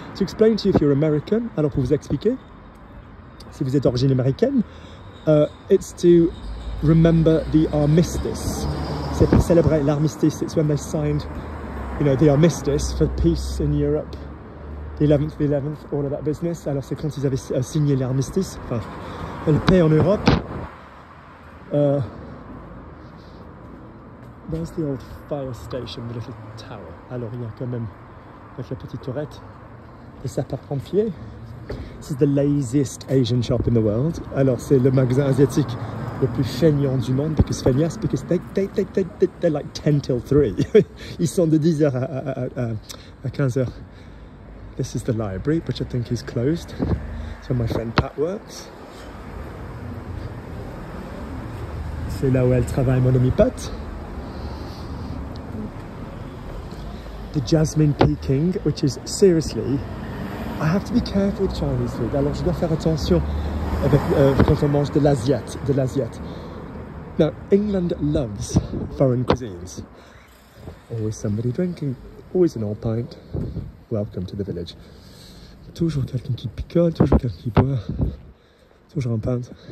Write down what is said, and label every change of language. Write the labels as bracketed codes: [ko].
[en] To explain to you if you're American, [fr] alors pour vous expliquer, si vous êtes d'origine américaine, [en] it's to remember the armistice. [fr] C'est pour célébrer l'armistice. [en] It's when they signed, you know, the armistice for peace in Europe. The 11th, the 11th, all of that business. [fr] Alors c'est quand ils avaient signé l'armistice, enfin, la paix en Europe. [en] Where's the old fire station, the little tower? [fr] Alors il y a quand même, avec la petite tourette, les sapeurs-pompiers. [en] This is the laziest Asian shop in the world. [fr] Alors c'est le magasin asiatique le plus feignant du monde, [en] because feignasse, because they're like 10 till 3. [fr] Ils sont de 10h à 15h. [en] This is the library, which I think is closed. It's where my friend Pat works. [fr] C'est là où elle travaille, mon ami Pat. [en] The Jasmine Peking, which is seriously, I have to be careful with Chinese food. [fr] Alors, je dois faire attention avec, quand on mange de l'Asiat. [en] Now, England loves foreign cuisines. Always somebody drinking, always an old pint. Welcome to the village. [fr] Toujours quelqu'un qui picole, toujours quelqu'un qui boit, toujours un pint.